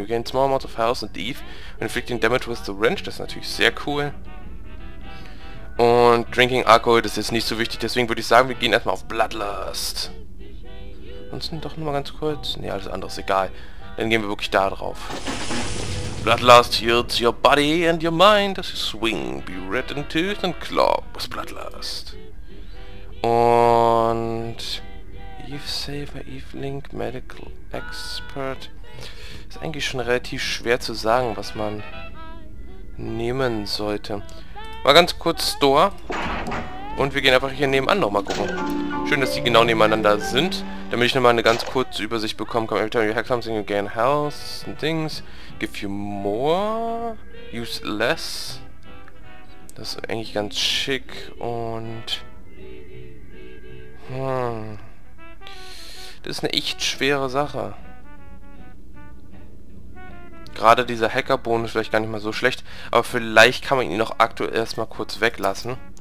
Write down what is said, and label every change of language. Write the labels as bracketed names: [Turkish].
[English] You gain small amounts of health and Eve and inflicting damage with the wrench. [German] Das ist natürlich sehr cool. Und Drinking Alcohol, das ist nicht so wichtig. Deswegen würde ich sagen, wir gehen erstmal auf Bloodlust. Ansonsten doch nur mal ganz kurz. Ne, alles andere ist egal. Dann gehen wir wirklich da drauf. [English] Bloodlust heals your body and your mind as you swing. Be red in tooth and claw with Bloodlust. [German] Und Eve Saver, Eve Link, Medical Expert. Ist eigentlich schon relativ schwer zu sagen, was man nehmen sollte. Mal ganz kurz Store. Und wir gehen einfach hier nebenan nochmal gucken. Schön, dass die genau nebeneinander sind. Damit ich nochmal eine ganz kurze Übersicht bekomme. [English] Come every time you have something, you gain health and things. Give you more. Use less. [German] Das ist eigentlich ganz schick. Und das ist eine echt schwere Sache. Gerade dieser Hacker-Bonus vielleicht gar nicht mal so schlecht. Aber vielleicht kann man ihn noch aktuell erstmal kurz weglassen.